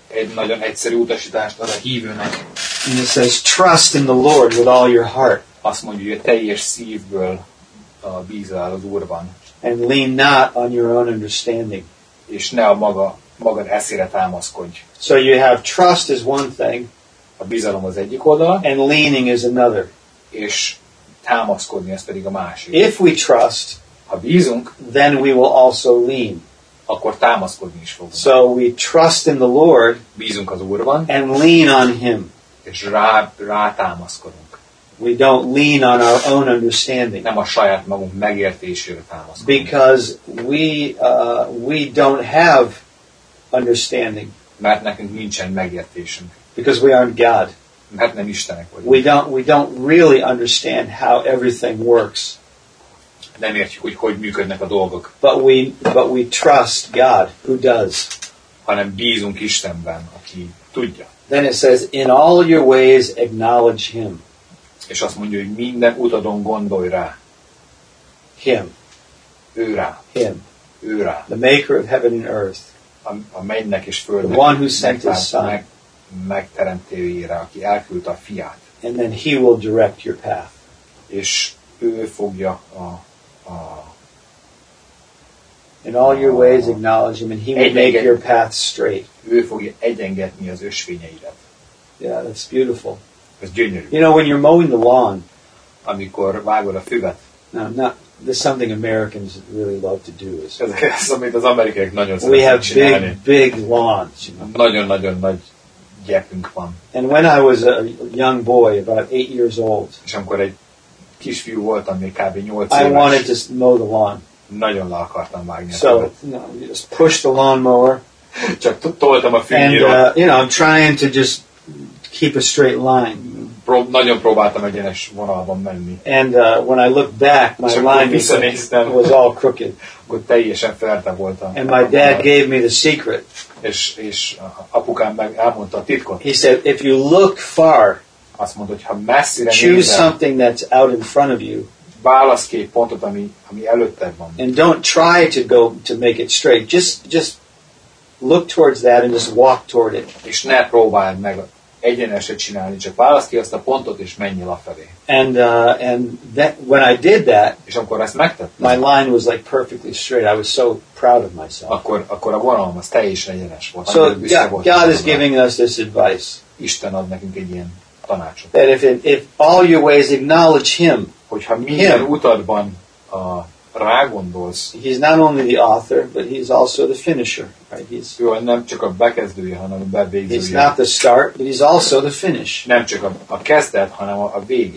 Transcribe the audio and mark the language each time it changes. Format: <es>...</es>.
<hu>Egy nagyon egyszerű utasítást ad a hívőnek.</hu> <en>And it says, trust in the Lord with all your heart.</en> <hu>Azt mondja, hogy a teljes szívből bízál az Úrban.</hu> <en>And lean not on your own understanding.</en> <hu>És ne a magad eszére támaszkodj.</hu> <en>So you have trust is one thing,</en> <hu>a bizalom az egyik oldala,</hu> <en>and leaning is another.</en> <hu>És támaszkodni, ez pedig a másik.</hu> <en>If we trust,</en> <hu>ha bízunk,</hu> <en>then we will also lean.</en> <hu>Akkor támaszkodni is fogunk.</hu> <en>So we trust in the Lord,</en> <hu>bízunk az Úrban,</hu> <en>and lean on Him.</en> <hu>És rá támaszkodunk.</hu> <en>We don't lean on our own understanding.</en> <hu>Nem a saját magunk megértésére támaszkodunk.</hu> <en>Because we don't have understanding.</en> <hu>Mert nekünk nincsen megértésünk.</hu> <en>Because we aren't God.</en> <hu>Mert nem Istenek vagyunk.</hu> <en>We don't really understand how everything works.</en> <hu>Nem értjük, hogy működnek a dolgok.</hu> <en>But we trust God, who does.</en> <hu>Hanem bízunk Istenben, aki tudja.</hu> <en>Then it says, in all your ways acknowledge Him.</en> <hu>És azt mondja, hogy minden utadon gondolj rá.</hu> <en>Him.</en> <hu>Ő rá.</hu> <en>Him.</en> <hu>Ő rá.</hu> <en>The maker of heaven and earth.</en> <hu>A mennek és földnek,</hu> <en>the one who sent his son,</en> <hu>megteremtőjére, aki elküldte a fiát.</hu> <en>And then he will direct your path.</en> <hu>És ő fogja</hu> <en>in all your ways acknowledge him, and he will make your path straight.</en> <hu>Ő fogja egyengetni az ösvényeidet.</hu> <en>Yeah, that's beautiful.</en> <hu>Ez gyönyörű.</hu> <en>You know, when you're mowing the lawn,</en> <hu>amikor vágod a füvet,</hu> <en>there's something Americans really love to do.</en> <hu>Ez amit az amerikaiak nagyon szeretnek.</hu> <en>We have big lawns. You know?</en> <hu>Nagyon-nagyon nagy gyepünk van.</hu> <en>And when I was a young boy, about 8 years old,</en> <hu>és amikor egy kisfiú voltam, még kb. 8 éves,</hu> <en>I wanted to mow the lawn.</en> <hu>Nagyon le akartam vágni.</hu> <en>So, you know, you just push the lawnmower.</en> <hu>Csak toltam a fűnyíró.</hu> <en>And, you know, I'm trying to just keep a straight line.</en> <hu>Nagyon próbáltam egyenes vonalban menni.</hu> <en>And when I looked back, my line was all crooked.</en> <hu>Akkor teljesen felte voltam.</hu> <en>And my dad gave me the secret.</en> <hu>És apukám meg elmondta a titkot.</hu> <en>He said, if you look far,</en> <hu>azt mondta, hogy ha messzire nézel,</hu> <en>choose something that's out in front of you.</en> <hu>Válasz ki egy pontot, ami előtted van.</hu> <en>And don't try to go to make it straight. Just look towards that and just walk toward it.</en> <hu>És ne próbáld meg egyeneset csinálni, csak válasz ki azt a pontot és menj lefelé.</hu> <en>And that, when I did that,</en> <hu>és amikor ezt megtettem,</hu> <en>my line was like perfectly straight. I was so proud of myself.</en> <hu>Akkor a vonalom az teljesen egyenes volt.</hu> <en>So God is giving us this advice.</en> <hu>Isten ad nekünk egy ilyen tanácsot.</hu> <en>That if all your ways acknowledge Him,</en> <hu>hogyha minden utadban rá gondolsz,</hu> <en>He's not only the author, but He's also the finisher. Right? He's,</en> <hu>jó, nem csak a bekezdője, hanem a bevégzője.</hu> <en>He's not the start, but He's also the finish.</en> <hu>Nem csak a kezdet, hanem a vég.</hu>